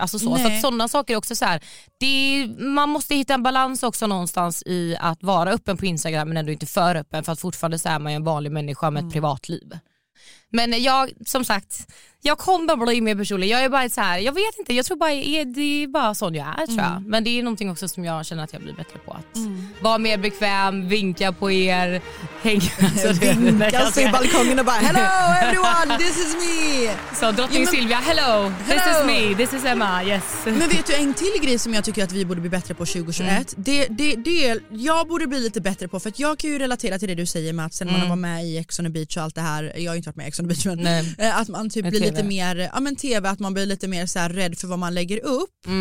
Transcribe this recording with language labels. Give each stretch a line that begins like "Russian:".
Swedish: Alltså så. Så att sådana saker är också så här. Man måste hitta en balans också någonstans i att vara öppen på Instagram men ändå inte för öppen, för att fortfarande så är man ju en vanlig människa med ett privatliv. Men jag, som sagt, jag kommer bara bli mer personlig. Jag är bara så här, jag vet inte, jag tror bara det är bara sån jag är, tror jag. Men det är någonting också som jag känner att jag blir bättre på. Att vara mer bekväm, vinka på er, hänga. Vinka sig i balkongen och bara,
English: hello everyone, this is me.
Swedish: Så drottning
English: Silvia, hello, this is me, this is Emma, yes.
Swedish: Men vet du, en till grej som jag tycker att vi borde bli bättre på 2021, det jag borde bli lite bättre på, för att jag kan ju relatera till det du säger med att sen man var med i Ex on the Beach och allt det här, jag har inte varit med i Ex on the Beach, men att man typ blir lite mer, ja men TV, att man blir lite mer så här rädd för vad man lägger upp.